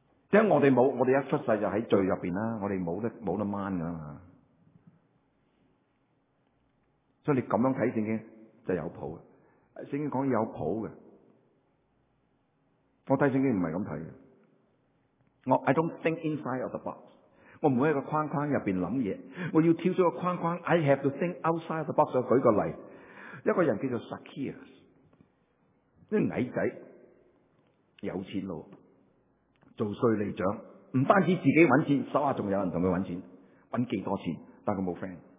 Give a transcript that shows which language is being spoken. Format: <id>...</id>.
<yue>即是我们没有，我们一出世就在罪入面，我们没得掹的。所以你这样看圣经就有谱的。圣经讲有谱的。我看圣经不是这样看的。</yue> <en>我 I don't think inside of the box.</en> <yue>我不会在一个框框里面想东西。我要跳出一个框框，</yue> <en>I have to think outside of the box.</en> <yue>我举个例。一个人叫做 Zacchaeus。这个矮仔有钱佬，做税吏长，不单止自己赚钱，手下还有人跟他赚钱，赚几多钱，但他没 friend。</yue>